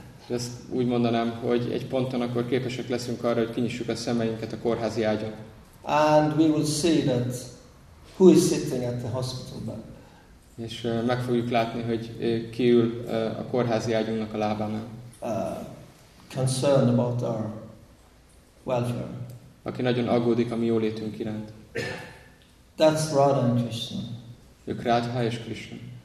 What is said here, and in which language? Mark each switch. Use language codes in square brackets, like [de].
[hu] Ezt úgy mondanám, hogy egy ponton akkor képesek leszünk arra, hogy kinyissuk a szemeinket a kórházi ágyon. [en] And we will see that who is sitting at the hospital bed. [hu] És meg fogjuk látni, hogy ki ül a kórházi ágyunknak a lábánál. [en] Concerned about our welfare. [hu] Aki nagyon aggódik a mi jólétünk iránt. [en] That's Radha and Krishna. [hu] Ők Radha és Krishna.